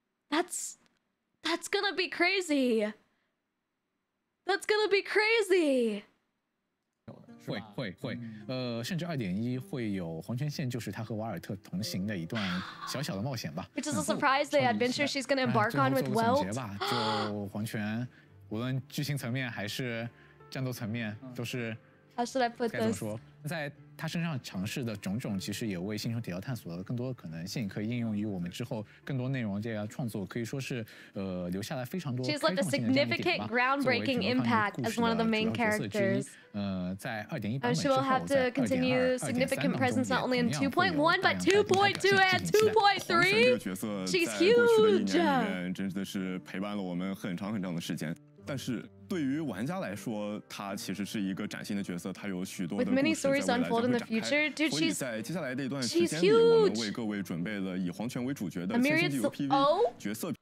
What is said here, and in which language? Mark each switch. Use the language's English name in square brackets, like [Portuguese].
[English] That's gonna be crazy. That's gonna be crazy. [Chinese] 会甚至 2.1 会有黄泉线就是他和瓦尔特同行的一段小小的冒险吧。 [English] Which is a surprise the adventure she's gonna embark on with Welt. [Chinese] 最后做个总结吧，就黄泉，无论剧情层面还是战斗层面，都是。 [English] How should I put this? [Chinese] 该怎么说，在他身上尝试的种种，其实也为星穹铁道探索了更多的可能性，可以应用于我们之后更多内容这样创作，可以说是留下了非常多。 [English] She's left a significant groundbreaking impact as one of the main characters. [Chinese] 在 [English] 2.1 she will have to continue significant presence not only in 2.1 but 2.2 and 2.3. She's huge. [Chinese] 真的是陪伴了我们很长很长的时间，但是。对于玩家来说，他其实是一个崭新的角色，他有许多的故事在未来将会展开。所以在接下来的一段时间里，我们为各位准备了以黄泉为主角的新机游 PV 角色。